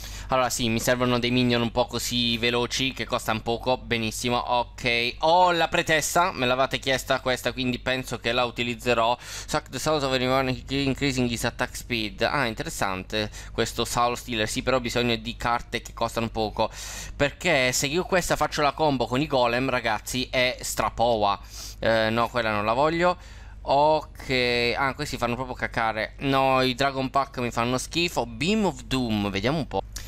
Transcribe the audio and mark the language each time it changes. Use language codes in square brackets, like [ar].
[it] Allora, sì, mi servono dei minion un po' così veloci che costano poco. Benissimo. Ok, ho la pretessa. Me l'avete chiesta questa, quindi penso che la utilizzerò. [en] Suck the soul of anyone increasing his attack speed. [it] Ah, interessante questo soul stealer. Sì, però ho bisogno di carte che costano poco. Perché se io questa faccio la combo con i golem, ragazzi, è strapowa. No, quella non la voglio. Ok, ah, questi fanno proprio cacare. No, i Dragon Pack mi fanno schifo. Beam of Doom, vediamo un po'.